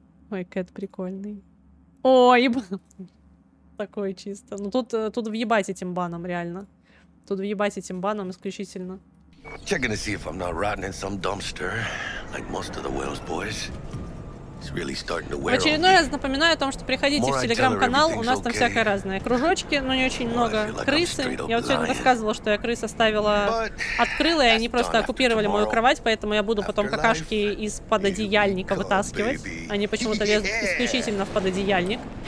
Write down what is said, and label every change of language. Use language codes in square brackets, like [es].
[ru] Ой, кэт прикольный. Ой, такой чисто. Ну тут въебать этим баном, реально. Тут въебать этим баном исключительно. [en] Checking to see if I'm not rotting in some dumpster, like most of the Wales boys. Really starting to wear. [ru] В очередной раз напоминаю о том, что приходите в телеграм-канал, у нас там всякое разное. Кружочки, но не очень много. Крысы. Я вот сегодня рассказывала, что я крыс оставила, открыла, и они просто оккупировали мою кровать, поэтому я буду потом какашки из-под одеяльника вытаскивать. Они почему-то лезут исключительно в пододеяльник.